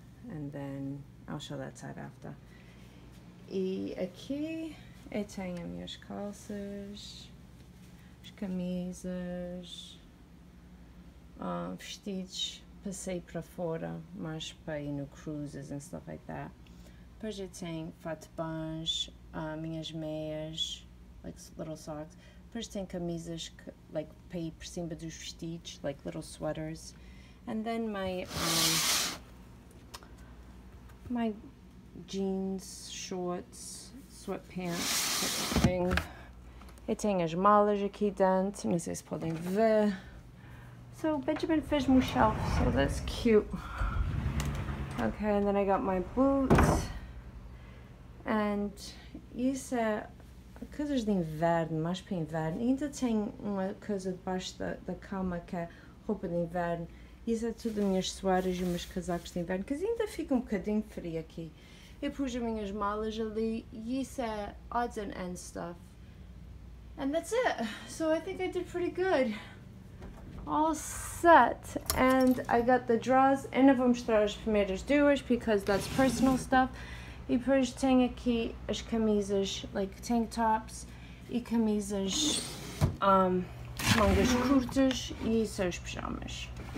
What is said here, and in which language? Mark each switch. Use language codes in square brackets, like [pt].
[en] And then I'll show that side after. [pt] E aqui eu tenho as minhas calças, as camisas, vestidos para sair para fora, mas para ir no [en] cruises and stuff like that. [pt] Depois eu tenho fato de banho, minhas meias, [en] like little socks. [pt] Depois tenho camisas que, like, para ir por cima dos vestidos, [en] like little sweaters. And then my jeans, shorts, sweatpants, type of thing. [pt] Eu tenho as malas aqui dentro, não sei se podem ver. [en] So Benjamin [pt] fez meu [en] shelf, so that's cute. Okay, and then I got my boots. And [pt] isso é coisas de inverno, mais para inverno. Ainda tem uma coisa debaixo da cama que é roupa de inverno. Isso é tudo as minhas suéteres e meus casacos de inverno, que ainda fica um bocadinho frio aqui. Eu pus as minhas malas ali e isso é [en] odds and ends stuff. And that's it. So I think I did pretty good. All set. And I got the drawers. And I'm going to throw [pt] as primeiras duas [en] because that's personal stuff. [pt] E depois tenho aqui as camisas, [en] like tank tops, [pt] e camisas mangas curtas e seus pijamas.